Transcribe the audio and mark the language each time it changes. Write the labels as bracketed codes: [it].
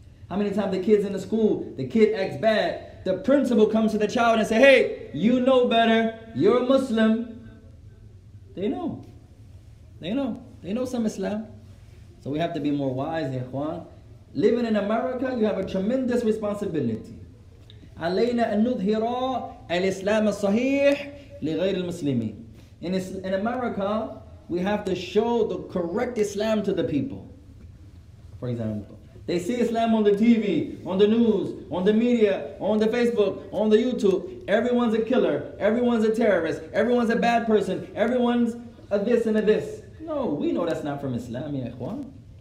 [en] How many times the kids in the school, the kid acts bad, the principal comes to the child and says, hey, you know better, you're a Muslim. They know. They know some Islam. So we have to be more wise, ikhwan. Living in America, you have a tremendous responsibility. [ar] علينا أن نظهر الإسلام الصحيح لغير المسلمين. [en] In America, we have to show the correct Islam to the people. For example, they see Islam on the TV, on the news, on the media, on the Facebook, on the YouTube. Everyone's a killer. Everyone's a terrorist. Everyone's a bad person. Everyone's a this and a this. No, we know that's not from Islam, ya ikhwan.